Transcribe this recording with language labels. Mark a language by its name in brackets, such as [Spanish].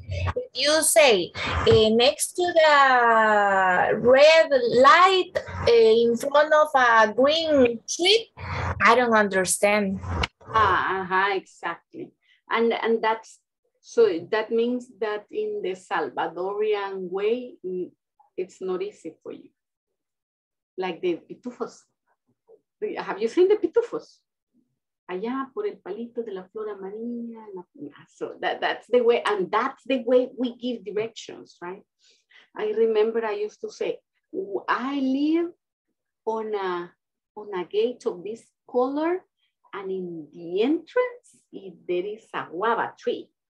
[English] If you say next to the red light in front of a green street, I don't understand. Exactly. And that's, so that means that in the Salvadorian way, it's not easy for you. Like the pitufos. Have you seen the pitufos? [Spanish] Allá por el palito de la flor amarilla. [English] So that's the way, and that's the way we give directions, right? I remember I used to say, I live on a gate of this color, and in the entrance, there is a guava tree.